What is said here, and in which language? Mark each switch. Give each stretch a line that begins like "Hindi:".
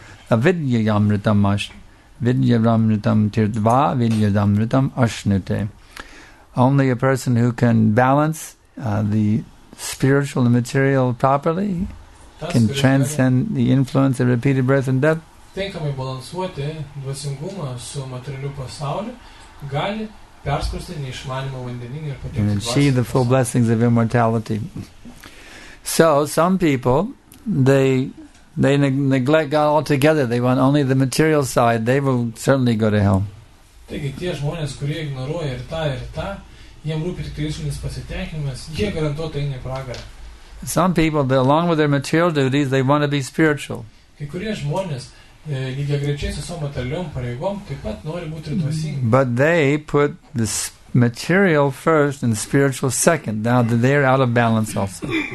Sanskrit: Avidyayamritam vidyayamritam tirdva vidyayamritam ashnute.
English: Only a person who can balance the spiritual and material properly can transcend the influence of repeated birth and death.
Lithuanian: Tinkamai balansuoti dvasingumą su materialiu pasauliu gali perskursti neišmanimo vandeninį ir patekti dvasingumą.
English: And achieve the full blessings of immortality. So, some people, they neglect God altogether. They want only the material side. They will certainly go to hell.
Lithuanian: Taigi, tie žmonės, kurie ignoruoja ir tą, jiem rūpi tik išorinis pasitenkinimas, jie garantuotai eina į pragarą.
English: Some people, along with their material duties, they want to be spiritual.
Lithuanian: Kai kurie žmonės, lygiagrečiai su savo materialiom pareigom, taip pat nori būti ir dvasingi.
English: But they put the material first and spiritual second. Now that they're out of balance also.